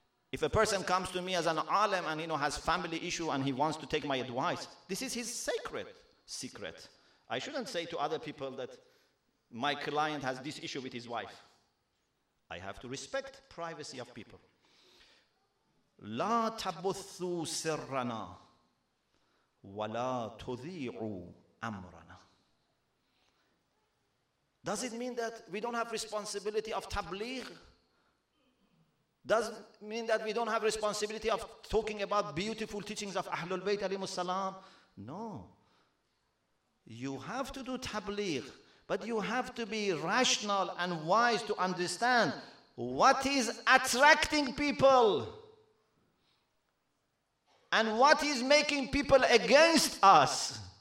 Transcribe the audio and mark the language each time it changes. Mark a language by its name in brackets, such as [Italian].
[English] If a person comes to me as an alim and, you know, has family issue and he wants to take my advice, this is his sacred secret. I shouldn't say to other people that my client has this issue with his wife. I have to respect privacy of people. [Arabic] لا تبثوا سرنا ولا تضيعوا أمرنا. [English] Does it mean that we don't have responsibility of tabligh? Does it mean that we don't have responsibility of talking about beautiful teachings of Ahlul Bayt alayhi salam? No. You have to do tabligh, but you have to be rational and wise to understand what is attracting people and what is making people against us.